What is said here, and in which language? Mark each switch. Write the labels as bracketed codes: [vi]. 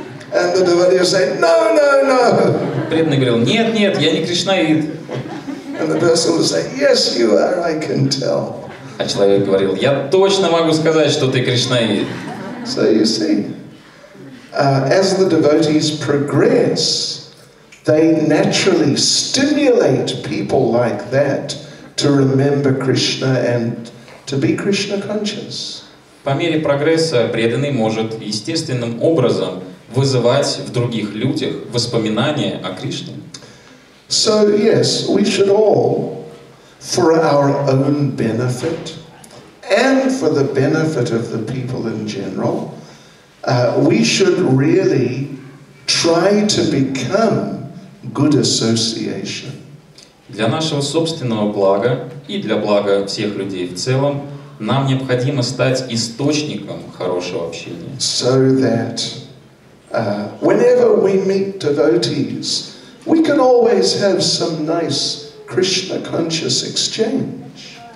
[en] And the devotee would say, no, no, no. [ru] Преданный говорил: «Нет, нет, я не кришнаит!» [en] And the person would say, yes, you are, I can tell. [ru] А человек говорил: «Я точно могу сказать, что ты кришнаит!» [en] So you see, as the devotees progress, they naturally stimulate people like that to remember Krishna and to be Krishna conscious. [ru] По мере прогресса преданный может естественным образом вызывать в других людях воспоминания о Кришне. [en] So yes, we should all, for our own benefit and for the benefit of the people in general, we should really try to become good association. [ru] Для нашего собственного блага и для блага всех людей в целом нам необходимо стать источником хорошего общения. [en] So that whenever we meet devotees, we can always have some nice Krishna conscious exchange.